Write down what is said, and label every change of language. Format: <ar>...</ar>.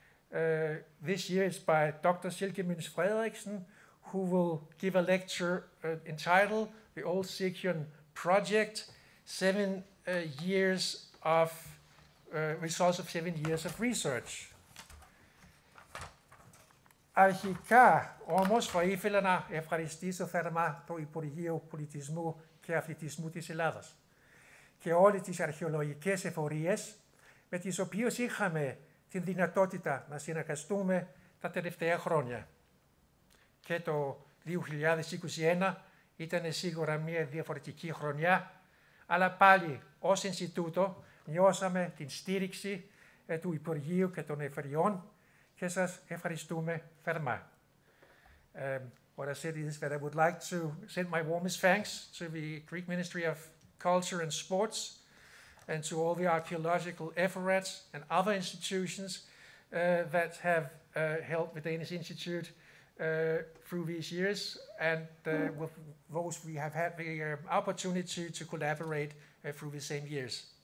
<en>This year is by Dr. Silke, Müth-Frederiksen, who will give a lecture entitled The Old Sikyon Project, 7 years of results of 7 years of research.</en> <el>Αρχικά, όμως, θα ήθελα να ευχαριστήσω θερμά το Υπουργείο Πολιτισμού και Αθλητισμού της Ελλάδας και όλες τις αρχαιολογικές εφορίες με τις οποίες είχαμε την δυνατότητα να συνεργαστούμε τα τελευταία χρόνια. Και το 2021 ήταν σίγουρα μια διαφορετική χρονιά, αλλά πάλι ως Ινστιτούτο νιώσαμε την στήριξη του Υπουργείου και των εφορίων και σας ευχαριστούμε θερμά.</el> <en>What I said is that I would like to send my warmest thanks to the Greek Ministry of Culture and Sports and to all the archaeological efforts and other institutions that have helped the Danish Institute through these years and with those we have had the opportunity to collaborate through the same years.</en>